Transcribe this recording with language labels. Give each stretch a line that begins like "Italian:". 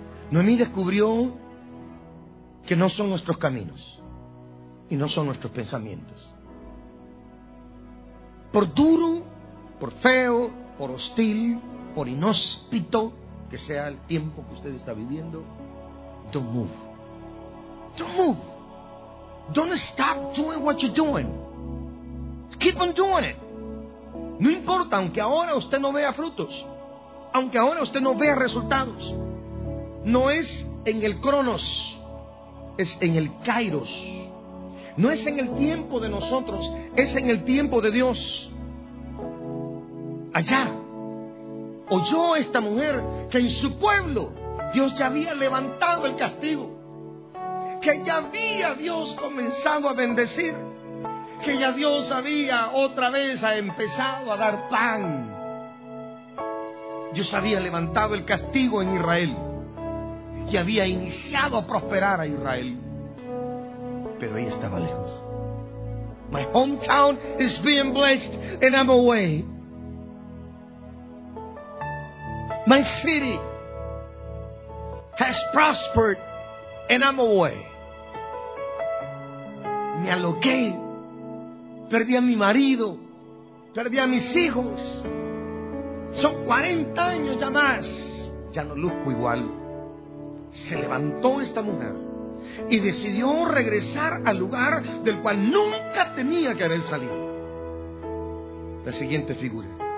Spanish: Noemí descubrió que no son nuestros caminos y no son nuestros pensamientos. Por duro, por feo, por hostil, por inhóspito que sea el tiempo que usted está viviendo,
English: don't move. Don't move. Don't stop doing what you're doing. Keep on doing it.
Spanish: No importa, aunque ahora usted no vea frutos, aunque ahora usted no vea resultados, no es en el cronos, es en el kairos. No es en el tiempo de nosotros, es en el tiempo de Dios. Allá oyó esta mujer que en su pueblo Dios ya había levantado el castigo, que ya había Dios comenzado a bendecir, que ya Dios había otra vez ha empezado a dar pan. Dios había levantado el castigo en Israel y había iniciado a prosperar a Israel. Pero ella estaba lejos.
English: My hometown is being blessed and I'm away. My city has prospered and I'm away.
Spanish: Me aloqué. Perdí a mi marido, perdí a mis hijos. Son 40 años ya más. Ya no luzco igual. Se levantó esta mujer y decidió regresar al lugar del cual nunca tenía que haber salido. La siguiente figura.